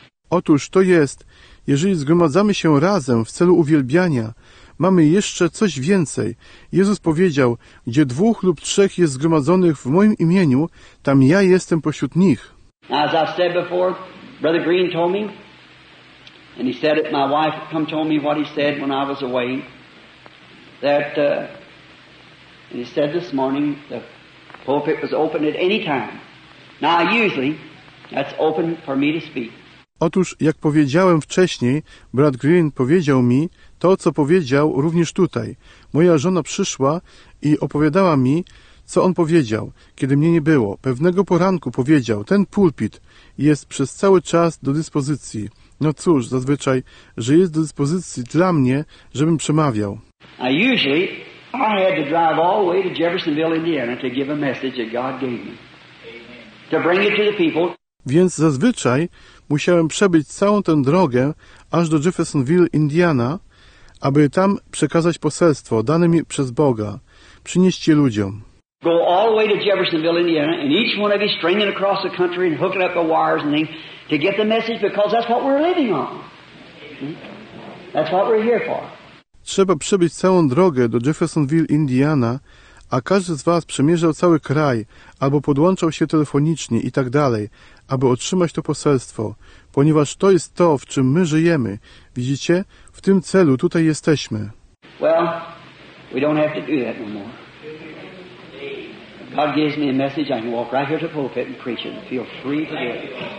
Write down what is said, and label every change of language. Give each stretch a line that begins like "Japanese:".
Polish: Otóż to jest, jeżeli zgromadzamy się razem w celu uwielbiania, mamy jeszcze coś więcej. Jezus powiedział, gdzie 2 lub 3 jest zgromadzonych w moim imieniu, tam ja jestem pośród nich.
English: As I've said before, Brother Green told me, and he said it, my wife come told me what he said when I was away, that he said this morning the pulpit was open at any time. Now usually that's open for me to speak.
Polish: Otóż, jak powiedziałem wcześniej, brat Green powiedział mi to, co powiedział również tutaj. Moja żona przyszła i opowiadała mi, co on powiedział, kiedy mnie nie było. Pewnego poranku powiedział, ten pulpit jest przez cały czas do dyspozycji. No cóż, zazwyczaj, że jest do dyspozycji dla mnie, żebym przemawiał.
English: I usually I had to drive all the way to Jeffersonville, Indiana to give a message that God gave me. To bring it to the people.
Polish: Więc zazwyczaj musiałem przebyć całą tę drogę aż do Jeffersonville, Indiana, aby tam przekazać poselstwo dane mi przez Boga, przynieść je ludziom.
English: Go all the way to Jeffersonville, Indiana, and each one of you stringing across the country and hooking up the wires and things to get the message, because that's what we're living on. That's what we're here for.
Polish: Trzeba przebyć całą drogę do Jeffersonville, Indiana, a każdy z was przemierzał cały kraj albo podłączał się telefonicznie i tak dalej, aby otrzymać to poselstwo, ponieważ to jest to, w czym my żyjemy. Widzicie? W tym celu tutaj jesteśmy.
English: Well, we don't have to do that no more. God gives me a message, I can walk right here to the pulpit and preach it and feel free to do it.